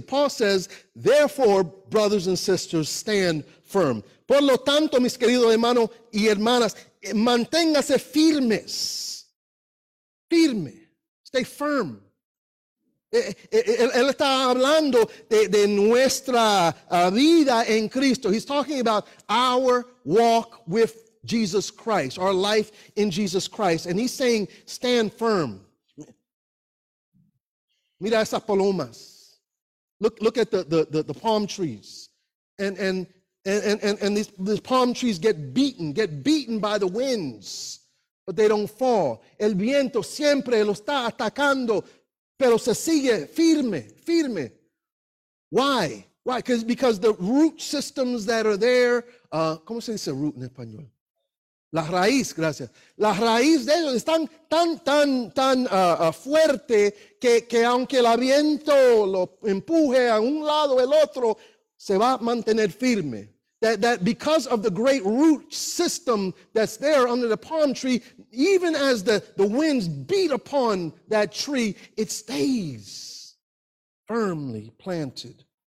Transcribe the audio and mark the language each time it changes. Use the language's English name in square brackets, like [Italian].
[English] Paul says, therefore, brothers and sisters, stand firm. [Spanish] Por lo tanto, mis queridos hermanos y hermanas, manténgase firmes. Firme. [English] Stay firm. [Spanish] Él está hablando de nuestra vida en Cristo. [English] He's talking about our walk with Jesus Christ, our life in Jesus Christ. And he's saying, stand firm. [Spanish] Mira esas palomas. [English] Look at the palm trees. And these palm trees get beaten by the winds, but they don't fall. [Spanish] El viento siempre lo está atacando, pero se sigue firme, firme. [English] Why? Why? Because the root systems that are there, [Spanish] ¿cómo se dice root en español? La raíz, gracias. La raíz de ellos están tan fuerte que aunque el viento lo empuje a un lado o el otro, se va a mantener firme. [English] That because of the great root system that's there under the palm tree, even as the winds beat upon that tree, it stays firmly planted.